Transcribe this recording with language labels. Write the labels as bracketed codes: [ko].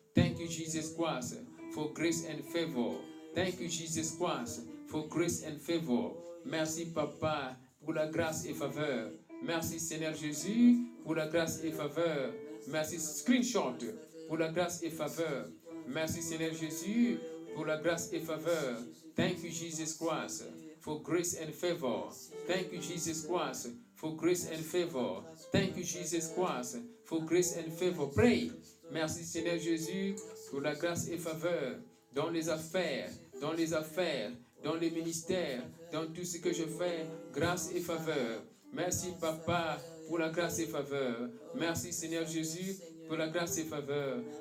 [en] Thank you, Jesus Christ, for grace and favor. Thank you, Jesus Christ, for grace and favor. [fr] Merci, Papa, pour la grâce et faveur. Merci, Seigneur Jésus, pour la grâce et faveur. Merci, screenshot, pour la grâce et faveur. Merci, Seigneur Jésus, pour la grâce et faveur. [en] Thank you, Jesus Christ, for grace and favor. Thank you, Jesus Christ, for grace and favor. Thank you, Jesus Christ, for grace and favor. Pray. [fr] Merci Seigneur Jésus pour la grâce et faveur dans les affaires, dans les affaires, dans les ministères, dans tout ce que je fais, grâce et faveur. Merci Papa pour la grâce et faveur. Merci Seigneur Jésus pour la grâce et faveur.